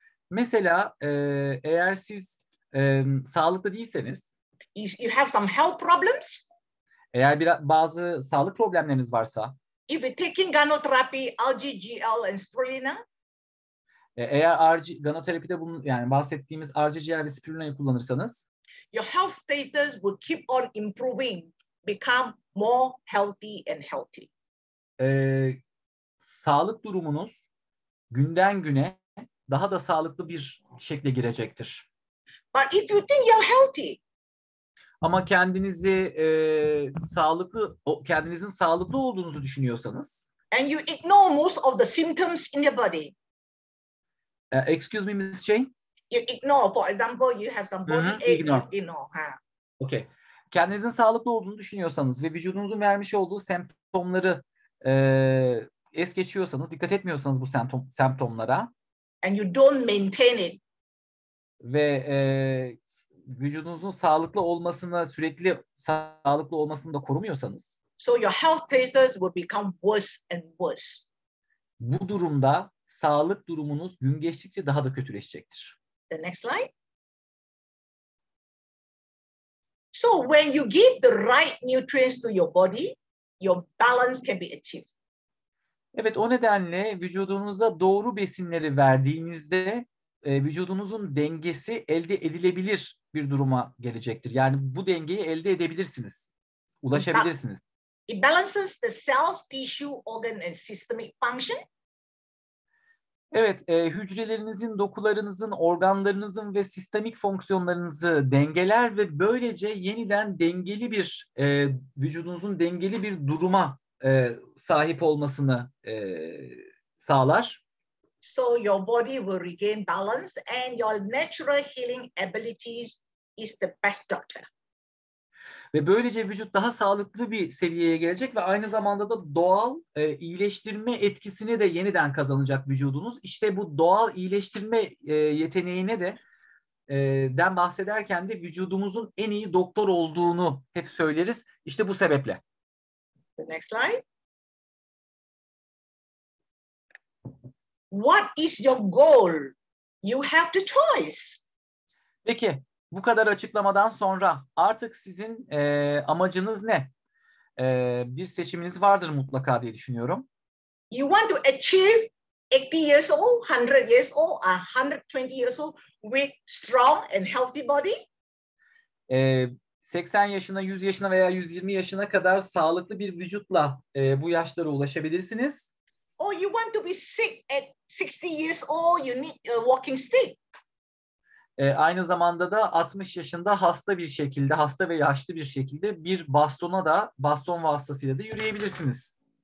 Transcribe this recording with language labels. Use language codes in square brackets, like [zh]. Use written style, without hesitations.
[tr] Mesela eğer siz sağlıklı değilseniz. [en] You have some health problems. [tr] Eğer bazı sağlık problemleriniz varsa. [en] If taking gonotherapy, RGGL and spirulina. [tr] Eğer gonoterapide bunun yani bahsettiğimiz RGGL ve spirulina'yı kullanırsanız [en] your health status will keep on improving, become more healthy and healthy. [tr] Sağlık durumunuz günden güne daha da sağlıklı bir şekle girecektir. [en] But if you think you're healthy. [tr] Ama kendinizi sağlıklı kendinizin sağlıklı olduğunuzu düşünüyorsanız [en] and you ignore most of the symptoms in your body. Excuse me, Miss Jane. You ignore, for example, you have some body ache. Ignore. Okay. [tr] Kendinizin sağlıklı olduğunu düşünüyorsanız ve vücudunuzun vermiş olduğu semptomları es geçiyorsanız, dikkat etmiyorsanız bu semptomlara. [en] And you don't maintain it. [tr] Ve vücudunuzun sağlıklı olmasını, sürekli sağlıklı olmasını da korumuyorsanız. [en] So your health status will become worse and worse. [tr] Bu durumda sağlık durumunuz gün geçtikçe daha da kötüleşecektir. [en] The next slide. So when you give the right nutrients to your body, your balance can be achieved. [tr] Evet, o nedenle vücudunuza doğru besinleri verdiğinizde vücudunuzun dengesi elde edilebilir bir duruma gelecektir. Yani bu dengeyi elde edebilirsiniz, ulaşabilirsiniz. [en] It balances the cells, tissue, organ and systemic function. [tr] Evet, hücrelerinizin, dokularınızın, organlarınızın ve sistemik fonksiyonlarınızı dengeler ve böylece yeniden dengeli bir, vücudunuzun dengeli bir duruma sahip olmasını sağlar. [en] So your body will regain balance and your natural healing abilities is the best doctor. [tr] Ve böylece vücut daha sağlıklı bir seviyeye gelecek ve aynı zamanda da doğal iyileştirme etkisini de yeniden kazanacak vücudunuz. İşte bu doğal iyileştirme yeteneğine de den bahsederken de vücudumuzun en iyi doktor olduğunu hep söyleriz. İşte bu sebeple. [en] The next slide. What is your goal? You have the choice. [tr] Peki. Bu kadar açıklamadan sonra artık sizin amacınız ne? Bir seçiminiz vardır mutlaka diye düşünüyorum. [en] You want to achieve 80 years old, 100 years old, 120 years old with strong and healthy body? [tr] 80 yaşına, 100 yaşına veya 120 yaşına kadar sağlıklı bir vücutla bu yaşlara ulaşabilirsiniz. [en] Or you want to be sick at 60 years old, you need a walking stick. [tr] Aynı zamanda da 60 yaşında hasta bir şekilde, hasta ve yaşlı bir şekilde bir bastona da, baston vasıtasıyla da yürüyebilirsiniz.